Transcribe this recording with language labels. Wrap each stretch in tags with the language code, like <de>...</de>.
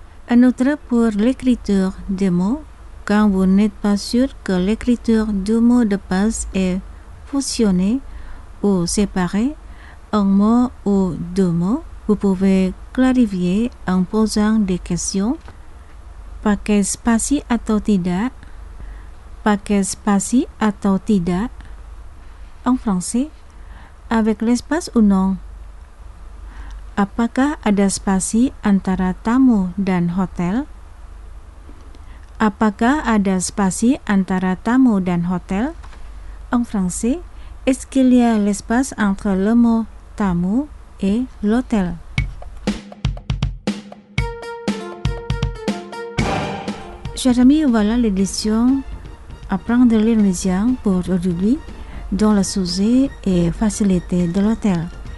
<fr>Un autre pour l'écriture des mots, quand vous n'êtes pas sûr que l'écriture du mot de passe est fusionnée ou séparée en mots ou deux mots, vous pouvez clarifier en posant des questions.</fr> <id>Pakai spasi atau tidak? Pakai spasi atau tidak?</id> <fr>En français, avec l'espace ou non?</fr> <id>Apakah ada spasi antara tamu dan hotel? Apakah ada spasi antara tamu dan hotel?</id> <fr>En français, est-ce qu'il y a l'espace entre le mot tamu et l'hôtel? Chers amis, voilà l'édition Apprendre l'indonésien pour aujourd'hui, dont le sujet est facilité de l'hôtel.</fr>